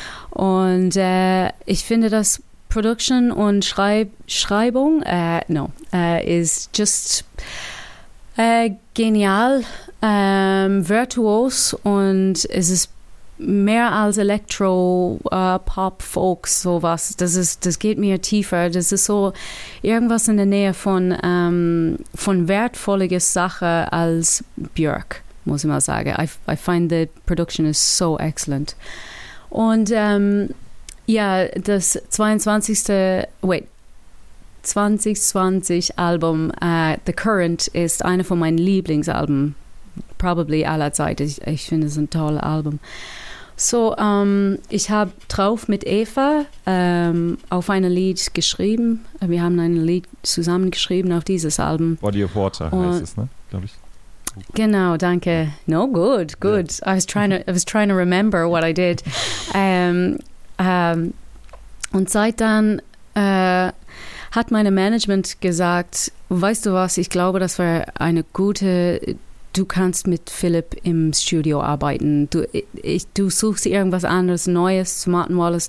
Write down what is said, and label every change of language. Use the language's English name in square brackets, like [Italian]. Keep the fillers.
[German] Und uh, ich finde, dass Produktion und Schreib Schreibung uh, no, ist just genial, virtuos und es ist mehr als Electro, uh, Pop, Folk, sowas. Das ist, das geht mir tiefer. Das ist so irgendwas in der Nähe von, ähm, um, von wertvolliger Sache als Björk, muss ich mal sagen. [English] I, I find the production is so excellent. [German] Und, ja, um, yeah, das 22. Wait. 2020 Album uh, The Current ist eine von meinen Lieblingsalben, probably aller Zeit. ich, ich finde es ein tolles Album. So, um, ich habe drauf mit Eva ähm, auf ein Lied geschrieben. Wir haben ein Lied zusammengeschrieben auf dieses Album. Body of Water und heißt es, ne? Glaube ich. Genau, danke. [English] No, good, good. Yeah. I, was trying to, I was trying to remember what I did. [German] um, um, und seit dann uh, hat meine Management gesagt, weißt du was, ich glaube, das wäre eine gute du kannst mit Philipp im Studio arbeiten. Du, ich, du suchst irgendwas anderes, Neues zu Martin Wallace.